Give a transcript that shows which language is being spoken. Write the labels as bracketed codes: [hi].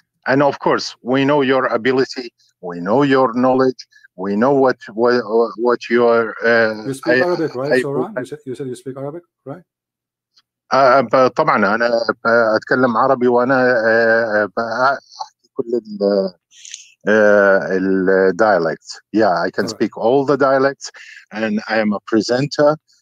[en] And of course, we know your ability. We know your knowledge. We know what you are. You speak Arabic, right? You said you speak Arabic, right? [ar] طبعا أنا أتكلم عربي وأنا كل الدايلكت. [en] Yeah, I can speak all the dialects, and I am a presenter.